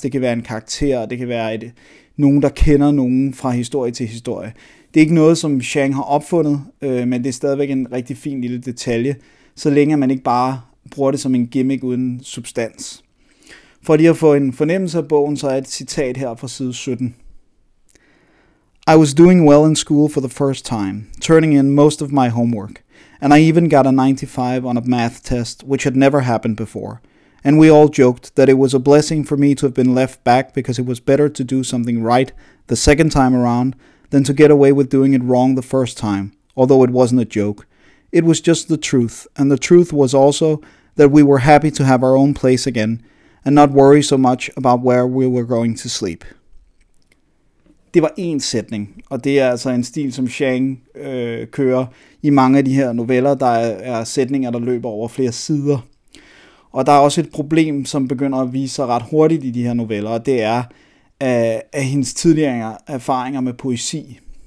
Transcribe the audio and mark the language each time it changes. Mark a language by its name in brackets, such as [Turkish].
[Danish] Det kan være en karakter, det kan være nogen, der kender nogen fra historie til historie. Det er ikke noget, som Chang har opfundet, men det er stadigvæk en rigtig fin lille detalje, så længe man ikke bare bruger det som en gimmick uden substans. For lige at få en fornemmelse af bogen, så er et citat her fra side 17. [English] I was doing well in school for the first time, turning in most of my homework, and I even got a 95 on a math test, which had never happened before. And we all joked that it was a blessing for me to have been left back because it was better to do something right the second time around than to get away with doing it wrong the first time, although it wasn't a joke. It was just the truth, and the truth was also that we were happy to have our own place again and not worry so much about where we were going to sleep. [Danish] Det var én sætning, og det er altså en stil, som Chang kører i mange af de her noveller. Der er sætninger, der løber over flere sider. Og der er også et problem, som begynder at vise sig ret hurtigt i de her noveller, og det er af hendes tidligere erfaringer med poesi.